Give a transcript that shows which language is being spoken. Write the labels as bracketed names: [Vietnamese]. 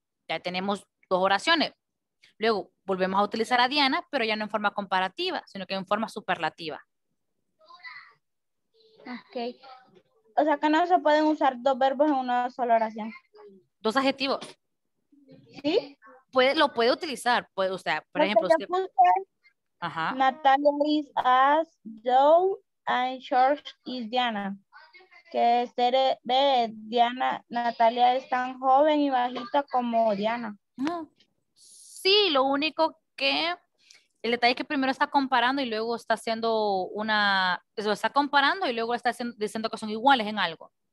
[Spanish] Ya tenemos dos oraciones. Luego volvemos a utilizar a Diana, pero ya no en forma comparativa, sino que en forma superlativa. Ok. O sea que no se pueden usar dos verbos en una sola oración. Dos adjetivos. ¿Sí? Puede, lo puede utilizar. Puede, o sea, por ejemplo, usted... Ajá. [English] Natalia is as young and short is Diana. [Spanish] Que Esther ve, Diana, Natalia es tan joven y bajita como Diana. Sí, lo único que el detalle es que primero está comparando y luego está haciendo una, eso está comparando y luego está haciendo, diciendo que son iguales en algo.